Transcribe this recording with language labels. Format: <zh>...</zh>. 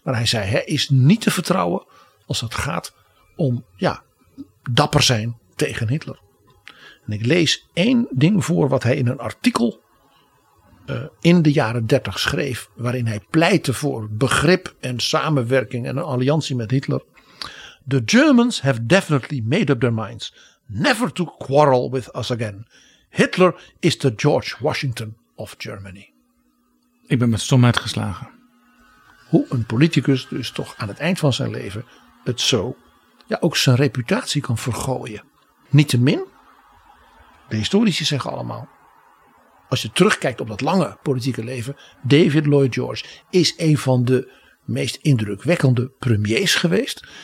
<nl>Maar hij zei, hij is niet te vertrouwen als het gaat om dapper zijn tegen Hitler. En ik lees één ding voor wat hij in een artikel in de jaren 30 schreef, waarin hij pleitte voor begrip en samenwerking en een alliantie met Hitler.</nl> <en>The Germans have definitely made up their minds never to quarrel with us again. Hitler is the George Washington of Germany.</en> <nl>Ik ben met stomheid geslagen. Hoe een politicus dus toch aan het eind van zijn leven het zo, ja, ook zijn reputatie kan vergooien. Niettemin, de historici zeggen allemaal, als je terugkijkt op dat lange politieke leven, David Lloyd George is een van de meest indrukwekkende premiers geweest.</nl>